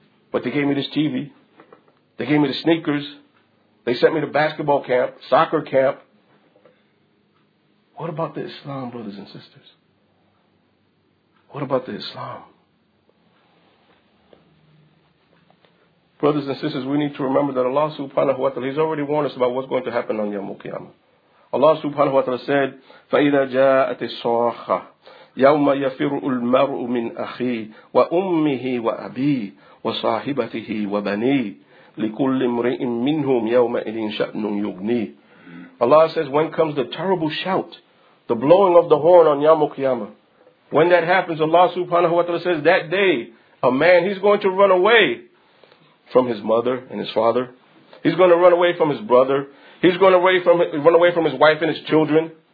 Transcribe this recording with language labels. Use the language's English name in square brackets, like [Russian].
[English] But they gave me this TV. They gave me the sneakers. They sent me to basketball camp, soccer camp. What about the Islam, brothers and sisters? What about the Islam? Brothers and sisters, we need to remember that Allah subhanahu wa ta'ala, He's already warned us about what's going to happen on Yawm al-Qiyamah. Allah subhanahu wa ta'ala said, [Arabic] فَإِذَا جَاءَتِ الصَّاخَّةَ يَوْمَ يَفِرُّ الْمَرْءُ مِنْ أَخِيهِ وَأُمِّهِ وَأَبِيهِ وَصَاحِبَتِهِ وَبَنِيهِ لِكُلِّ امْرِئٍ مِّنْهُمْ يَوْمَئِذٍ شَأْنٌ يُغْنِيهِ. [English] Allah says, when comes the terrible shout, the blowing of the horn on Yawm al-Qiyamah, when that happens, Allah subhanahu wa ta'ala says, that day, a man, he's going to run away from his mother and his father. He's going to run away from his brother. He's going to run away from his wife and his children.